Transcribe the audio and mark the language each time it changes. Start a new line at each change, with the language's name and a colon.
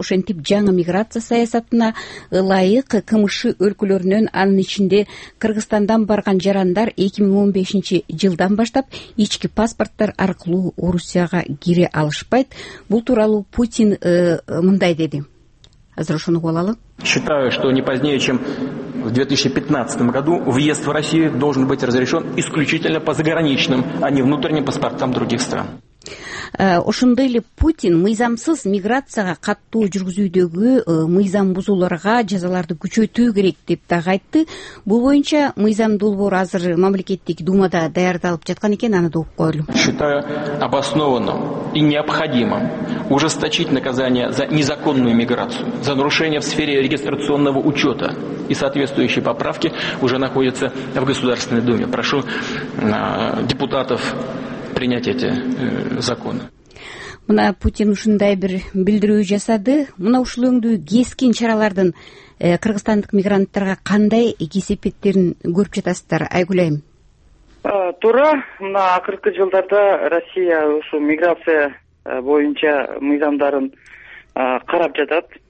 Kyrgyz: Ошентип, жаңы миграция саясатына ылайык КМШ өлкөлөрүнөн, анын ичинде Кыргызстандан барган жарандар 2015 жылдан баштап ички паспорттор аркылуу Орусияга кире алышпайт. Бул тууралуу Путин мындай деди. Азыр ошону угуп алалы.
Russian: Считаю, что не позднее, чем в 2015 году въезд в Россию должен быть разрешен исключительно по заграничным, а не внутренним паспортам других стран.
Kyrgyz: Ошондой эле Путин мыйзамсыз миграцияга каттоо жүргүзүүдөгү мыйзам бузууларга жазаларды күчөтүү керек деп дагы айтты. Бул боюнча мыйзам долбоор азыр мамлекеттик думада даярдалып жаткан экен, аны да угуп коелу.
Russian: Считаю обоснованным и необходимым ужесточить наказание за незаконную миграцию, за нарушения в сфере регистрационного учета, и соответствующие поправки уже находятся в Государственной Думе. Прошу депутатов принять эти законы.
Kyrgyz: Мына Путин ушундай бир билдирүү жасады. Мына ушул өңдүү кескин чаралардын кыргызстандык мигранттарга кандай кесепеттерин көрүп жатасыздар, Айгүл айым? Туура, мына акыркы жылдарда Россия ушул миграция боюнча мыйзамдарын карап жатат.